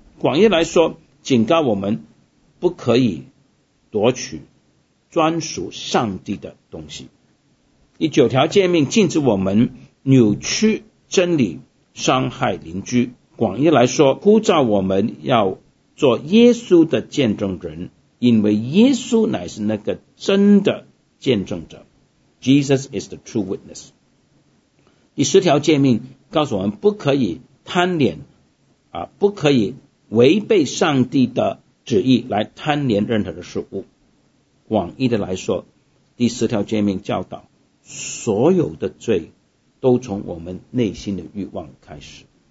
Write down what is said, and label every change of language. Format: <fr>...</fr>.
<zh>广义来说，警告我们不可以夺取专属上帝的东西。第九条诫命禁止我们扭曲真理，伤害邻居。广义来说，呼召我们要做耶稣的见证人，因为耶稣乃是那个真的见证者。</zh> <en>Jesus is the true witness.</en> <zh>第十条诫命告诉我们不可以贪恋不可以违背上帝的旨意来贪恋任何的事物。广义的来说，第十条诫命教导所有的罪都从我们内心的欲望开始。</zh>